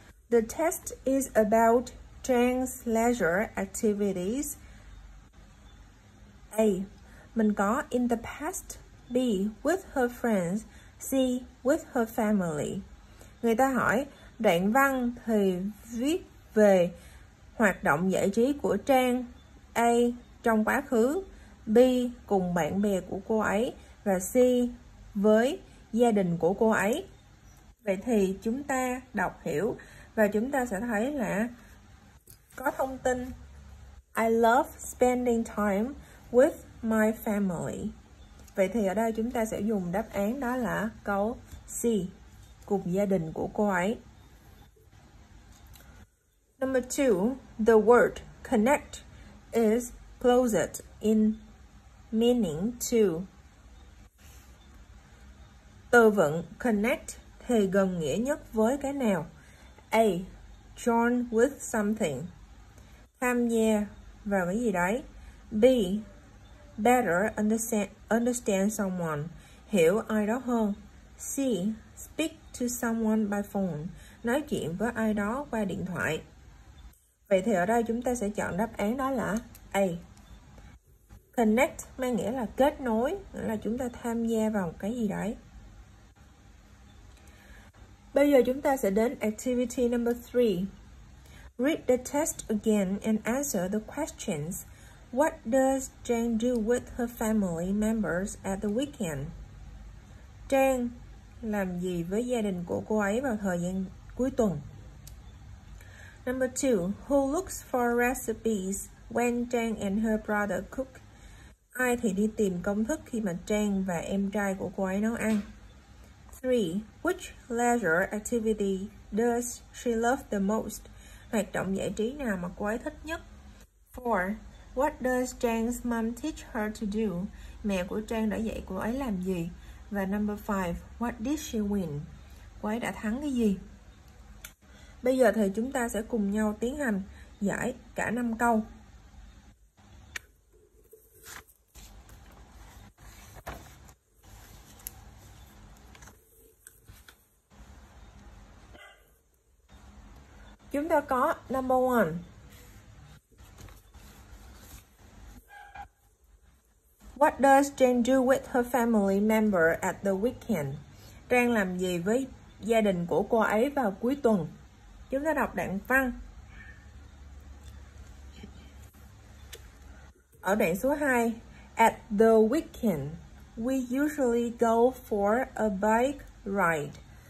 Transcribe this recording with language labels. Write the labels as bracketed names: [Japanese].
[English] The test is about Trang's leisure activities. A. [Vietnamese] Mình có [English] in the past, B with her friends, C with her family. [Vietnamese] Người ta hỏi đoạn văn thì viết về hoạt động giải trí của Trang, A trong quá khứ, B cùng bạn bè của cô ấy và C với gia đình của cô ấy. Vậy thì chúng ta đọc hiểu và chúng ta sẽ thấy là có thông tin [English] I love spending time with my family. [Vietnamese] Vậy thì ở đây chúng ta sẽ dùng đáp án đó là câu C, cùng gia đình của cô ấy. [English] Number two, the word connect is closest in meaning to. [Vietnamese] Từ vựng connect thì gần nghĩa nhất với cái nào? A, [English] join with something, [Vietnamese] tham gia vào cái gì đấy. B, [English] better understand someone, [Vietnamese] hiểu ai đó hơn. C, [English] speak to someone by phone, [Vietnamese] nói chuyện với ai đó qua điện thoại. Vậy thì ở đây chúng ta sẽ chọn đáp án đó là A. Connect mang nghĩa là kết nối, nghĩa là chúng ta tham gia vào một cái gì đấy. Bây giờ chúng ta sẽ đến activity number 3. [English] Read the test again and answer the questions. What does Trang do with her family members at the weekend? [Vietnamese] Trang làm gì với gia đình của cô ấy vào thời gian cuối tuần? [English] Number 2. Who looks for recipes when Trang and her brother cook? [Vietnamese] Ai thì đi tìm công thức khi mà Trang và em trai của cô ấy nấu ăn? 3. [English] Which leisure activity does she love the most? [Vietnamese] Hoạt động giải trí nào mà cô ấy thích nhất? [English] 4. What does Trang's mom teach her to do? [Vietnamese] Mẹ của Trang đã dạy cô ấy làm gì? Và [English] number 5. What did she win? [Vietnamese] Cô ấy đã thắng cái gì? Bây giờ thì chúng ta sẽ cùng nhau tiến hành giải cả 5 câu. Chúng ta có number 1. [English] What does Jane do with her family member at the weekend? [Vietnamese] Trang làm gì với gia đình của cô ấy vào cuối tuần? Chúng ta đọc đoạn văn. Ở đoạn số 2, [English] at the weekend, we usually go for a bike ride.